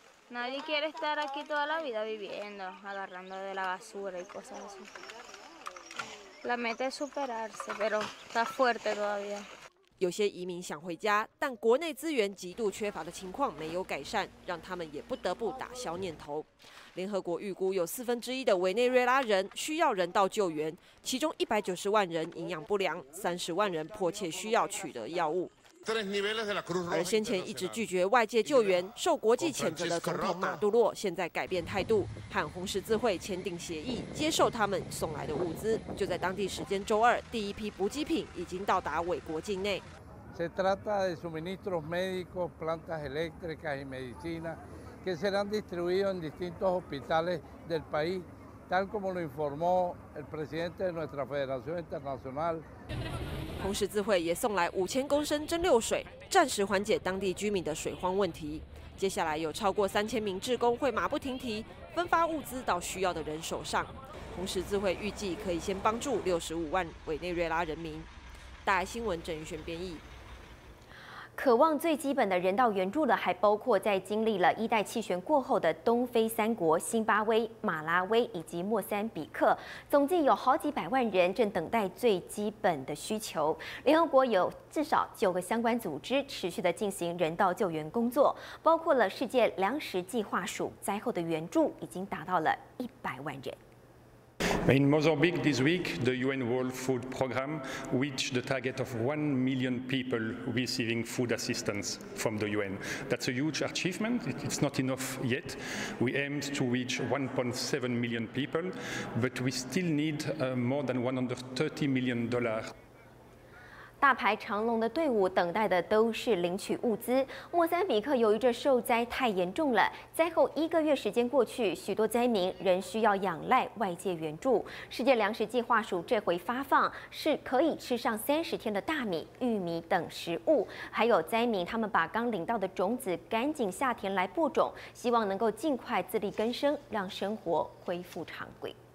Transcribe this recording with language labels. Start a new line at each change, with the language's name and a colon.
Spanish: Nadie quiere estar aquí toda la vida viviendo, agarrando de la basura y cosas así. La meta es superarse, pero está fuerte todavía.
Chinese: 有些移民想回家，但国内资源极度缺乏的情况没有改善，让他们也不得不打消念头。联合国预估有1/4的委内瑞拉人需要人道救援，其中190万人营养不良，30万人迫切需要取得药物。而先前一直拒绝外界救援、受国际谴责的总统马杜洛，现在改变态度，和红十字会签订协议，接受他们送来的物资。就在当地时间周 2，第一批补给品已经到达美国境内。
Spanish: Se trata de suministros médicos, plantas eléctricas y medicinas que serán distribuidos en distintos hospitales del país, tal como lo informó el presidente de nuestra Federación Internacional.
Chinese: 红十字会也送来5000公升蒸馏水，暂时缓解当地居民的水荒问题。接下来有超过3000名志工会马不停蹄，分发物资到需要的人手上。红十字会预计可以先帮助65万委内瑞拉人民。大爱新闻郑云轩编译。渴望最基本的人道援助的，还包括在经历了一代气旋过后的东非三国辛巴威、马拉威以及莫桑比克，总计有好几百万人正等待最基本的需求。联合国有至少9个相关组织持续的进行人道救援工作，包括了世界粮食计划署，灾后的援助已经达到了100万人。
English: In Mozambique this week, the UN World Food Programme reached the target of 1 million people receiving food assistance from the UN. That's a huge achievement. It's not enough yet. We aimed to reach 1.7 million people, but we still need more than $130 million.
Chinese: 大排长龙的队伍等待的都是领取物资。莫桑比克由于这受灾太严重了，灾后1个月时间过去，许多灾民仍需要仰赖外界援助。世界粮食计划署这回发放是可以吃上30天的大米、玉米等食物，还有灾民他们把刚领到的种子赶紧下田来播种，希望能够尽快自力更生，让生活恢复常规。